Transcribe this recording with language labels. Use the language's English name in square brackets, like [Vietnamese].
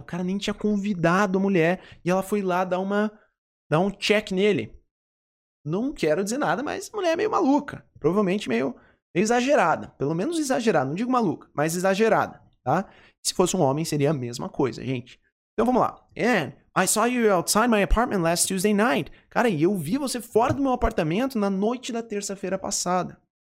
[Portuguese] O cara nem tinha convidado a mulher e ela foi lá dar um check nele. Não quero dizer nada, mas a mulher é meio maluca. Provavelmente meio exagerada. Pelo menos exagerada, não digo maluca, mas exagerada, tá? Se fosse um homem, seria a mesma coisa, gente. Então, vamos lá. [English] And I saw you outside my apartment last Tuesday night. [Portuguese] Cara, e eu vi você fora do meu apartamento na noite da terça-feira passada.